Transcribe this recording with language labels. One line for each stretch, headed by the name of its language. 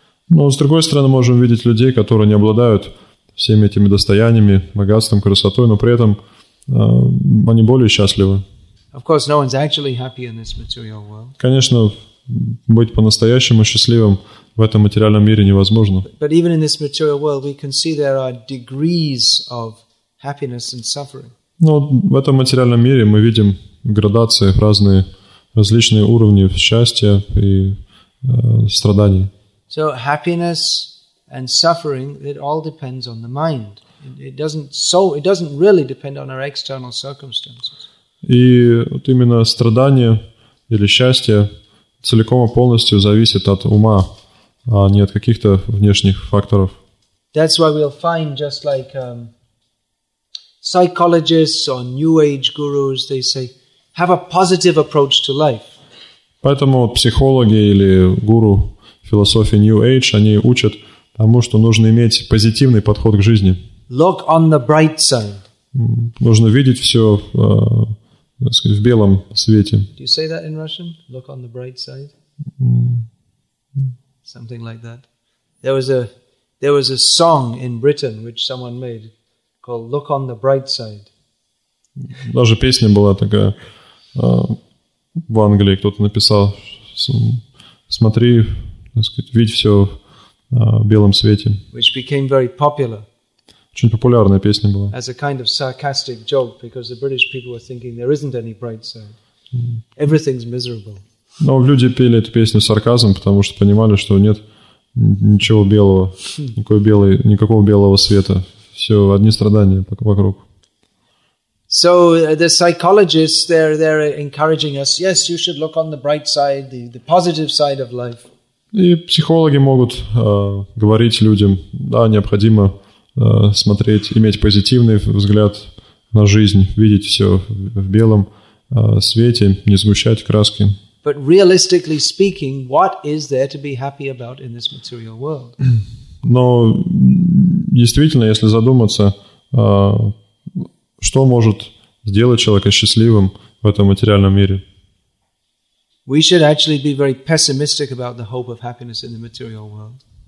Russian: Но с другой стороны, можем видеть людей, которые не обладают всеми этими достояниями, богатством, красотой, но при этом они более счастливы.
English: Of course, no one's actually happy in this material world.
Russian: Конечно, быть по-настоящему счастливым в этом материальном мире невозможно.
English: But even in this material world, we can see there are degrees of happiness and suffering.
Russian: Но в этом материальном мире мы видим градации, разные различные уровни счастья и страданий.
English: So happiness and suffering, it all depends on the mind. It doesn't really depend on our external circumstances.
Russian: И вот именно страдание или счастье целиком и полностью зависит от ума, а не от каких-то внешних факторов.
English: That's why we'll find just like psychologists or new age gurus, they say, have a positive approach to life.
Russian: Поэтому психологи или гуру философии new age, они учат тому, что нужно иметь позитивный подход к жизни.
English: Look on the bright side.
Russian: Нужно видеть все в белом свете.
English: Do you say that in Russian? Look on the bright side? Something like that. There was a song in Britain which someone made called Look on the Bright Side.
Russian: Даже песня была такая. в Англии кто-то написал, смотри, так сказать, видь все в белом свете.
English: Which became very popular.
Russian: Очень популярная песня была.
English: As a kind of sarcastic joke, because the British people were thinking there isn't any bright side. Everything's miserable.
Russian: Но люди пели эту песню с сарказмом, потому что понимали, что нет ничего белого, никакого белого света. Все одни страдания вокруг.
English: So the psychologists, they're encouraging us. Yes, you should look on the bright side, the positive side of life.
Russian: И психологи могут говорить людям, да, необходимо смотреть, иметь позитивный взгляд на жизнь, видеть все в белом свете, не сгущать краски.
English: But realistically speaking, what is there to be happy about in this material world?
Russian: Но действительно, если задуматься, что может сделать человека счастливым в этом материальном мире?
English: We should actually be very pessimistic about the hope of happiness in the material world.